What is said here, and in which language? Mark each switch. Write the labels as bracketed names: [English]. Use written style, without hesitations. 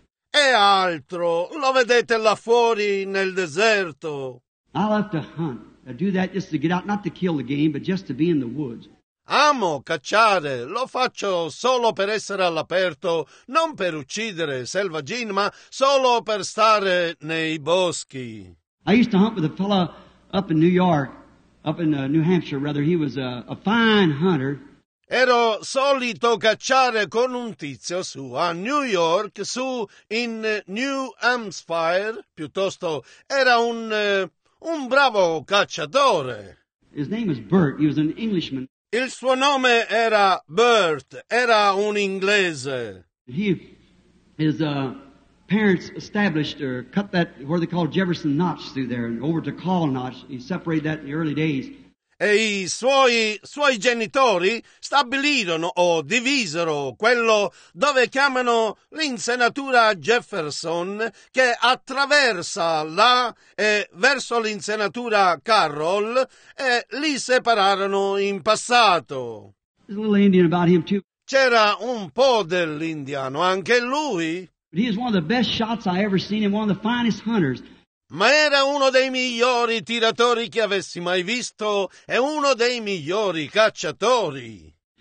[Italian] E altro, lo vedete là fuori nel deserto. [English] I'll have to hunt. I do that just to get out, not to kill the game, but just to be in the woods. [Italian] Amo cacciare, lo faccio solo per essere all'aperto, non per uccidere selvaggini, ma solo per stare nei boschi. [English] I used to hunt with a fellow up in New York, up in New Hampshire, rather. He was a fine hunter. [Italian] Ero solito cacciare con un tizio su a New York, su in New Hampshire, piuttosto. Era un bravo cacciatore. [English] His name is Bert, he was an Englishman. [Italian] Il suo nome era Bert, era un inglese. [English] His parents established or cut that, what they call Jefferson Notch through there, and over to Call Notch. He separated that in the early days. [Italian] E i suoi genitori stabilirono o divisero quello dove chiamano l'insenatura Jefferson, che attraversa là e verso l'insenatura Carroll, e li separarono in passato. [English] There's a little Indian about him too. [Italian] C'era un po' dell'indiano anche lui. [English] But he is one of the best shots I ever seen, and one of the finest hunters. [Italian] Ma era uno dei migliori tiratori che avessi mai visto e uno dei migliori cacciatori.